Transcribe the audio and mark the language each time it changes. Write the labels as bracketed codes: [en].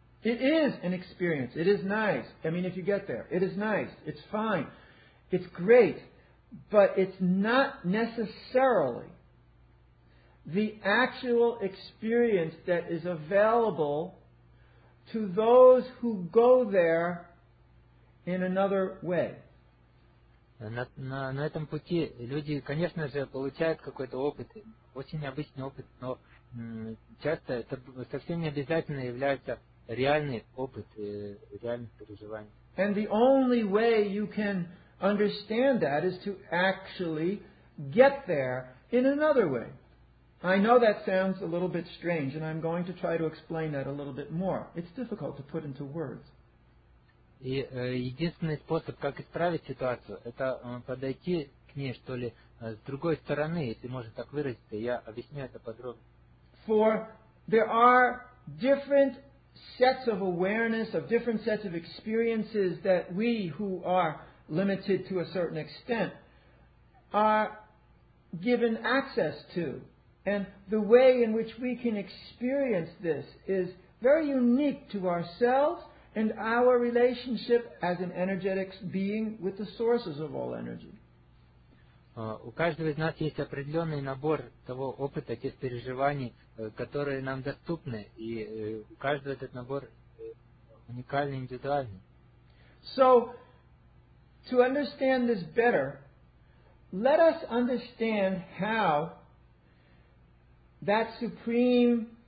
[en] It is an experience. It is nice. I mean, if you get there, it is nice. It's fine. It's great. But it's not necessarily the actual experience that is available to those who go there in another way. [ru] На этом пути люди, конечно же, получают какой-то опыт, очень необычный опыт, но часто это совсем не обязательно является реальный опыт, реальных переживаний. [en] And the only way you can understand that is to actually get there in another way. I know that sounds a little bit strange, and I'm going to try to explain that a little bit more. It's difficult to put into words. [ru] И единственный способ, как исправить ситуацию, это подойти к ней, что ли, с другой стороны, если можно так выразиться, я объясню это подробно. [en] For there are different sets of awareness, of different sets of experiences that we, who are limited to a certain extent, are given access to. And the way in which we can experience this is very unique to ourselves and our relationship as an energetic being with the sources of all energy. [ru] У каждого из нас есть определенный набор того опыта, тех переживаний, которые нам доступны, и у каждого этот набор уникальный, индивидуальный. [en] So, to understand this better, let us understand how that supreme